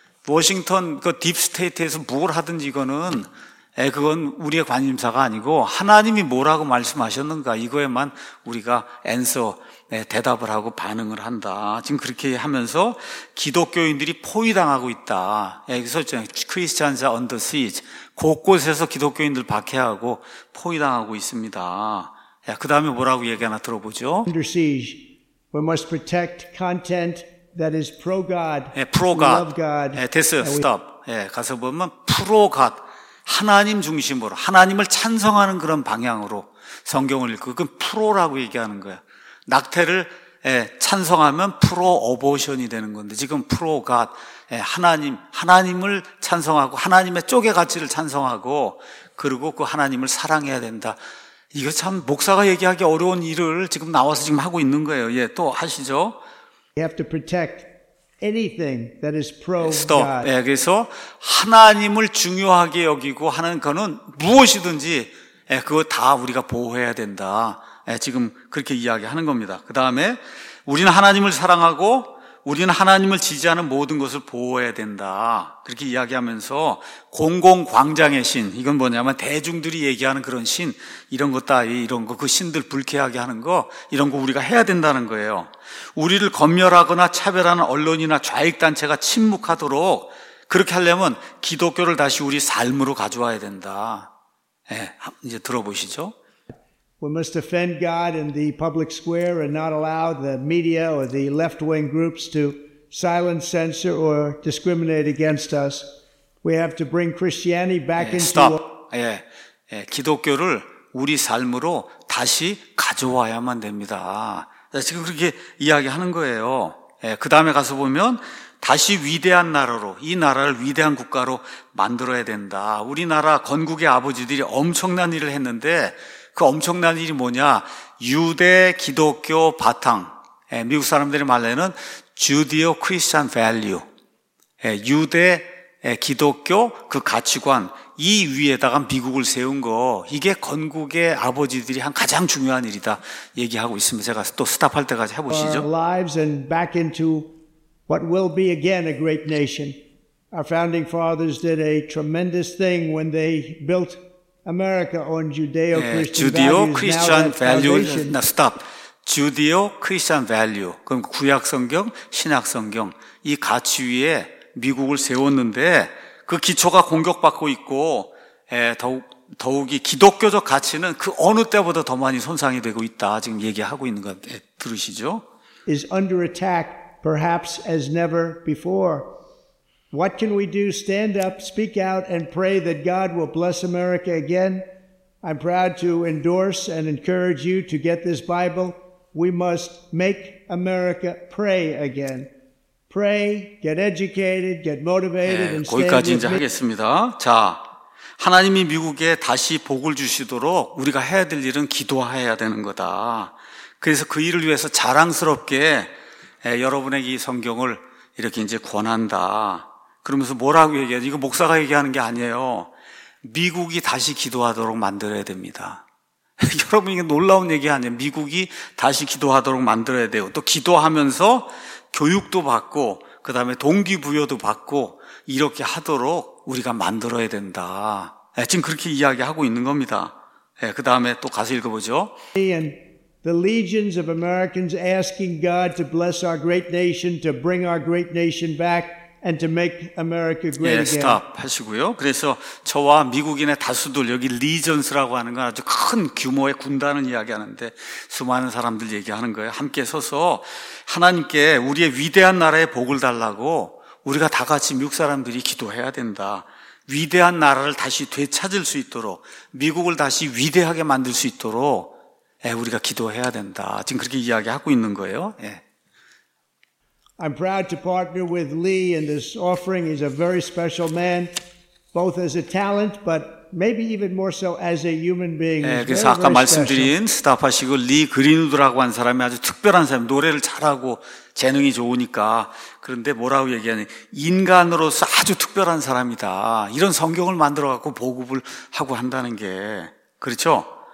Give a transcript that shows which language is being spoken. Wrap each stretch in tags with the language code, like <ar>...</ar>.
<ko>워싱턴 그 딥스테이트에서 뭘 하든지 이거는 그건 우리의 관심사가 아니고 하나님이 뭐라고 말씀하셨는가 이거에만 우리가 answer 대답을 하고 반응을 한다. 지금 그렇게 하면서 기독교인들이 포위당하고 있다. 여기서</ko> <en>Christians are under siege.</en> <ko>곳곳에서 기독교인들 박해하고 포위당하고 있습니다. 그 다음에 뭐라고 얘기하나 들어보죠.</ko> <en>Under siege. We must protect content that is pro-God. Pro-God. Love God. Stop.</en> <ko>가서 보면 pro-God. 하나님 중심으로 하나님을 찬성하는 그런 방향으로 성경을 읽고 그건 프로라고 얘기하는 거야. 낙태를 찬성하면 프로 어보션이 되는 건데 지금 프로 갓 하나님을 찬성하고 하나님의 쪽의 가치를 찬성하고 그리고 그 하나님을 사랑해야 된다. 이거 참 목사가 얘기하기 어려운 일을 지금 나와서 지금 하고 있는 거예요. 예, 또 하시죠.</ko> <en>You have to protect anything that is pro God.</en> <ko>그래서 하나님을 중요하게 여기고 하는 거는 무엇이든지 그거 다 우리가 보호해야 된다. 지금 그렇게 이야기하는 겁니다. 그 다음에 우리는 하나님을 사랑하고 우리는 하나님을 지지하는 모든 것을 보호해야 된다. 그렇게 이야기하면서 공공광장의 신, 이건 뭐냐면 대중들이 얘기하는 그런 신, 이런 것 따위, 이런 거, 그 신들 불쾌하게 하는 거, 이런 거 우리가 해야 된다는 거예요. 우리를 검열하거나 차별하는 언론이나 좌익단체가 침묵하도록 그렇게 하려면 기독교를 다시 우리 삶으로 가져와야 된다. 이제 들어보시죠.</ko> <en>We must defend God in the public square and not allow the media or the left-wing groups to silence, censor, or discriminate against us. We have to bring Christianity back into our...</en> <ko>기독교를 우리 삶으로 다시 가져와야만 됩니다. 지금 그렇게 이야기하는 거예요. 그 다음에 가서 보면 다시 위대한 나라로 이 나라를 위대한 국가로 만들어야 된다. 우리나라 건국의 아버지들이 엄청난 일을 했는데 그 엄청난 일이 뭐냐? 유대 기독교 바탕. 미국 사람들이 말하는</ko> <en>Judeo Christian value.</en> <ko>유대 기독교 그 가치관 이 위에다가 미국을 세운 거. 이게 건국의 아버지들이 한 가장 중요한 일이다 얘기하고 있습니다. 제가 또 스탑할 때까지 해 보시죠.</ko> <en>Lives and back into what will be again a great nation. Our founding fathers did a tremendous thing when they built America on Judeo-Christian values. Now stop. Judeo-Christian value.</en> <ko>그럼 구약 성경, 신약 성경 이 가치 위에 미국을 세웠는데 그 기초가 공격받고 있고 더욱이 기독교적 가치는 그 어느 때보다 더 많이 손상이 되고 있다. 지금 얘기하고 있는 것 들으시죠?</ko> <en>Is under attack perhaps as never before. What can we do? Stand up, speak out, and pray that God will bless America again. I'm proud to endorse and encourage you to get this Bible. We must make America pray again. Pray, get educated, get motivated, and stand with me.</en> <ko>거기까지 이제 하겠습니다. 자, 하나님이 미국에 다시 복을 주시도록 우리가 해야 될 일은 기도해야 되는 거다. 그래서 그 일을 위해서 자랑스럽게 여러분에게 이 성경을 이렇게 이제 권한다. 그러면서 뭐라고 얘기하지? 이거 목사가 얘기하는 게 아니에요. 미국이 다시 기도하도록 만들어야 됩니다. 여러분 이게 놀라운 얘기 아니에요. 미국이 다시 기도하도록 만들어야 돼요. 또 기도하면서 교육도 받고 그다음에 동기부여도 받고 이렇게 하도록 우리가 만들어야 된다. 지금 그렇게 이야기하고 있는 겁니다. 그다음에 또 가서 읽어보죠.</ko> <en>The legions of Americans asking God to bless our great nation, to bring our great nation back. And to make America great again.</en> <ko>스탑 하시고요. 그래서 저와 미국인의 다수들 여기 리전스라고 하는 건 아주 큰 규모의 군단을 이야기하는데 수많은 사람들 얘기하는 거예요. 함께 서서 하나님께 우리의 위대한 나라의 복을 달라고 우리가 다 같이 미국 사람들이 기도해야 된다. 위대한 나라를 다시 되찾을 수 있도록 미국을 다시 위대하게 만들 수 있도록 우리가 기도해야 된다. 지금 그렇게 이야기하고 있는 거예요.</ko> <en>I'm proud to partner with Lee in this offering. He's a very special man, both as a talent, but maybe even more so as a human being.</en> <ko>예, 그래서 very, 아까 very 말씀드린 스타파시고 리 그린우드라고 한 사람이 아주 특별한 사람, 노래를 잘하고 재능이 좋으니까. 그런데 뭐라고 얘기하니, 인간으로서 아주 특별한 사람이다. 이런 성경을 만들어 갖고 보급을 하고 한다는 게 그렇죠?</ko>